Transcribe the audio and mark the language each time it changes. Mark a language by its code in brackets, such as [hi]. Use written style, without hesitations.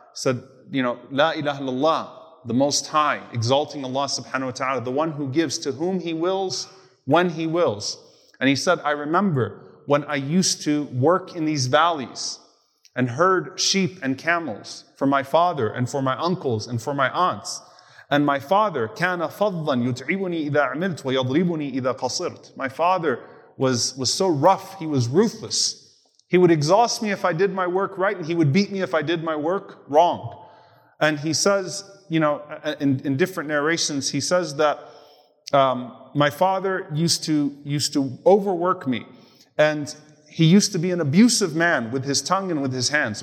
[en] Said, you know, La ilaha illallah, the Most High, exalting Allah subhanahu wa ta'ala, the one who gives to whom he wills, when he wills. And he said, I remember when I used to work in these valleys and herd sheep and camels for my father and for my uncles and for my aunts. And my father, [ar] كان فضلاً يتعبني إذا عملت ويضربني إذا قصرت. [en] My father was so rough, he was ruthless. He would exhaust me if I did my work right, and he would beat me if I did my work wrong. And he says, you know, in different narrations, he says that my father used to overwork me. And he used to be an abusive man with his tongue and with his hands.